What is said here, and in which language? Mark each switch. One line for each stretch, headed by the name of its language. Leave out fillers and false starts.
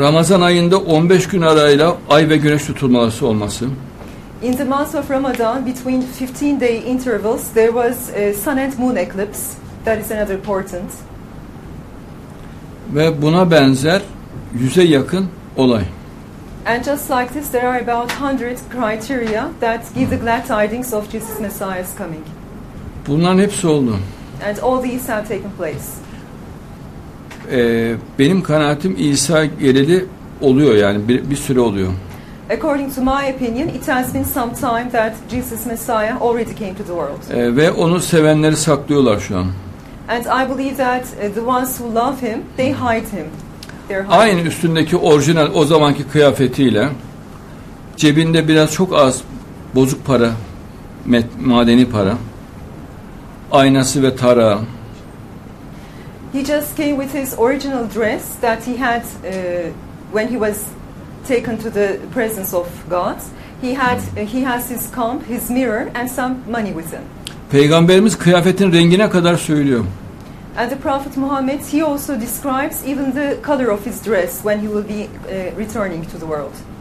Turkish: Ramazan ayında 15 gün arayla ay ve güneş tutulması olması.
English: In the month of Ramadan, between 15 day intervals, there was a sun and moon eclipse. That is another portent.
Turkish: Ve buna benzer 100'e yakın olay.
English: And just like this, there are about 100 criteria that give the glad tidings of Jesus Messiah's coming.
Turkish: Bunların hepsi oldu.
English: And all these have taken place.
Turkish: Benim kanaatim İsa geleli oluyor, yani bir süre oluyor.
English: According to my opinion, it has been some time that Jesus Messiah already came to the world.
Turkish: Ve onu sevenleri saklıyorlar şu an.
English: And I believe that the ones who love him, they hide him.
Turkish: Aynı üstündeki orijinal o zamanki kıyafetiyle cebinde biraz çok az bozuk para, madeni para, aynası ve tarağı.
English: He just came with his original dress that he had when he was taken to the presence of God. He has his comb, his mirror and some money with him.
Turkish: Peygamberimiz kıyafetin rengine kadar söylüyor.
English: And the Prophet Muhammad, he also describes even the color of his dress when he will be returning to the world.